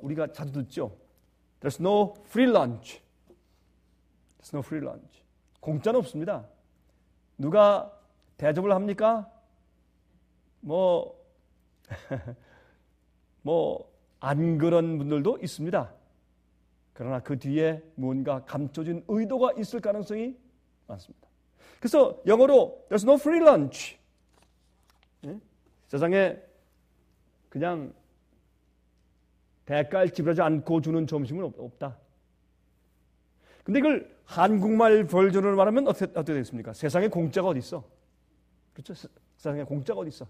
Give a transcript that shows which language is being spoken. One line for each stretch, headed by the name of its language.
Korean: 우리가 자주 듣죠.
English: There's no free lunch.
Korean: There's no free lunch. 공짜는 없습니다. 누가 대접을 합니까? 뭐 안 그런 분들도 있습니다. 그러나 그 뒤에 뭔가 감춰진 의도가 있을 가능성이 많습니다. 그래서 영어로
English: There's no free lunch.
Korean: 세상에 그냥 대가를 지불하지 않고 주는 점심은 없다. 그런데 이걸 한국말 버전으로 말하면 어떻게 되겠습니까? 세상에 공짜가 어디 있어? 그렇죠? 세상에 공짜가 어디 있어?